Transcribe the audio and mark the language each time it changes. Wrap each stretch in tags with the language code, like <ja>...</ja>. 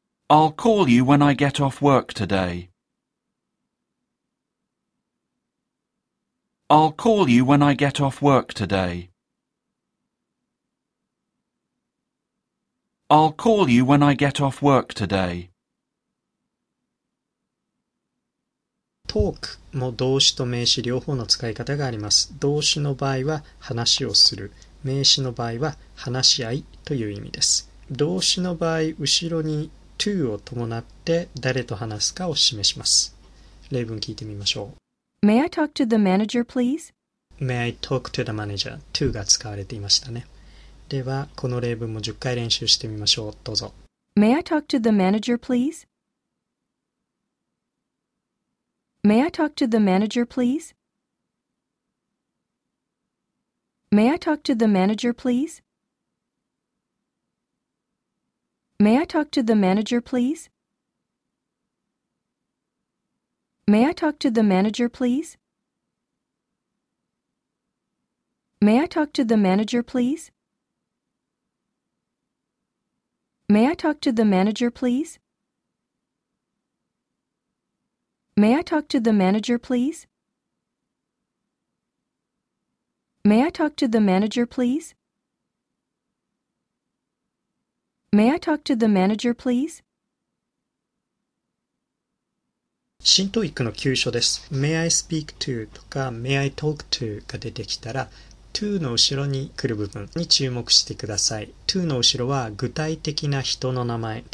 <en>I'll call you when I get off work today. I'll call you when I get off work today. I'll call you when I get off work today.</en> <ja>Talk も動詞と名詞両方の使い方があります。動詞の場合は話をする。名詞の場合は話し合いという意味です。動詞の場合、後ろにto を伴って誰と話すかを示します。例文聞いてみましょう。</ja> <en>May I talk to the manager, please? May I talk to the manager?</en> <ja>to が使われていましたね。では、この例文も10回練習してみましょう。どうぞ。</ja> <en>May I talk to the manager, please? May I talk to the manager, please? May I talk to the manager, please? May I talk to the manager, please? May I talk to the manager, please? May I talk to the manager, please? May I talk to the manager, please? May I talk to the manager, please? May I talk to the manager, please? May I talk to the manager, please?</en> <ja>新TOEICの急所です。</ja> <en>May I speak to</en> <ja>とか</ja> <en>May I talk to</en> <ja>が出てきたら、to の後ろに来る部分に注目してください。 to の後ろは具体的な人の名前。</ja>